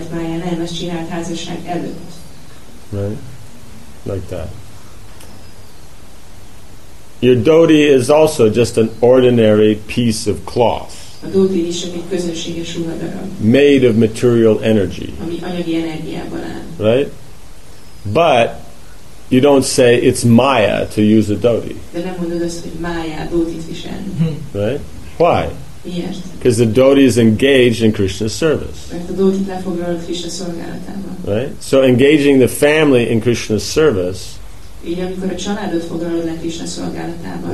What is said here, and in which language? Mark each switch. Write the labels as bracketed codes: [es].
[en] Right? Like that. Your dhoti is also just an ordinary piece of cloth. [hu] A dhoti is egy közönséges ruhadarab. [en] Made of material energy. [hu] Ami anyagi energiából áll. [en] Right? But you don't say it's maya to use a dhoti. [hu] De nem mondod azt, hogy maya dhotit visel. [en] Right? Why? [hu] Miért? [en] Because the dhoti is engaged in Krishna's service. [hu] Mert a dhotit lefoglalod Krishna szolgálatában. [en] Right? So engaging the family in Krishna's service [hu] Így amikor a családot foglalod le Krisna szolgálatában.